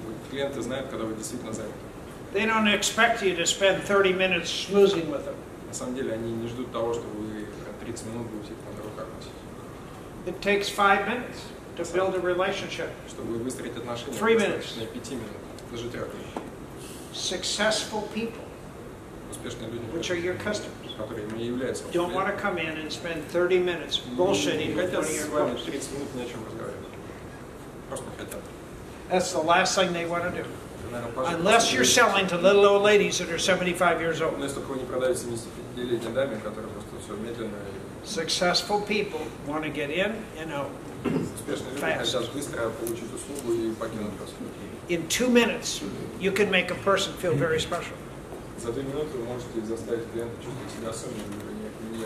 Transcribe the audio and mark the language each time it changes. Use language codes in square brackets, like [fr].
[ru] Клиенты знают, когда вы действительно заняты. [en] They don't expect you to spend 30 minutes schmoozing with them. [ru] На самом деле, они не ждут того, что вы 30 минут будете там на руках носить. [en] It takes 5 minutes to build a relationship. [ru] Чтобы выстроить отношения. [en] 3 minutes. [ru] 5 минут. Даже 3. [en] Successful people. [ru] Успешные люди. [en] Which are your customers? [ru] Которые не являются. [en] Don't want to come in and spend 30 minutes bullshitting with one of your customers. [ru] 30 минут ни о чем разговаривать. Просто хотят. [en] That's the last thing they want to do. Unless you're selling to little old ladies that are 75 years old. [ru] Если только вы не продаете 75-летней даме, которая просто все медленно. [en] Successful people want to get in and out. [ru] Успешные люди хотят быстро получить услугу и покинуть вас. [en] In 2 minutes, you can make a person feel very special. [ru] За 2 минуты вы можете заставить клиента чувствовать себя особенным.